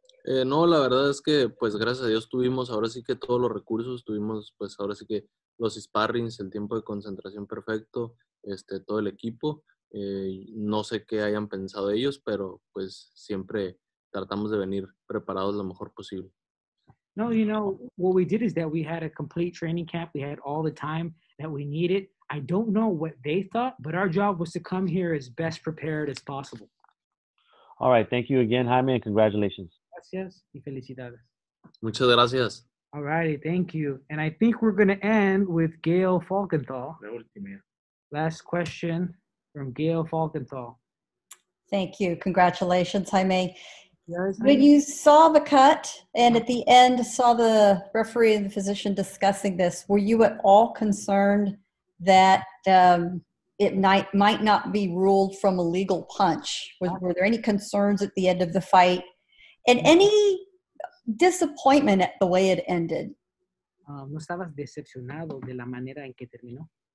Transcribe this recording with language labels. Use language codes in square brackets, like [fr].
[es] No, la verdad es que, pues, gracias a Dios tuvimos ahora sí que todos los recursos, tuvimos, pues, ahora sí que los sparrings, el tiempo de concentración perfecto, todo el equipo. No sé qué hayan pensado ellos, pero, pues, siempre tratamos de venir preparados lo mejor posible. [en] No, what we did is that we had a complete training camp. We had all the time that we needed. I don't know what they thought, but our job was to come here as best prepared as possible. All right. Thank you again, Jaime, and congratulations. [es] Gracias y felicidades. Muchas gracias. [en] All righty. Thank you. And I think we're going to end with Gail Falkenthal. [es] La última. [en] Last question from Gail Falkenthal. Thank you. Congratulations, Jaime. When you saw the cut and at the end saw the referee and the physician discussing this, were you at all concerned that it might not be ruled from a legal punch? Were there any concerns at the end of the fight? And any disappointment at the way it ended? [es] ¿No estabas decepcionado de la manera en que terminó?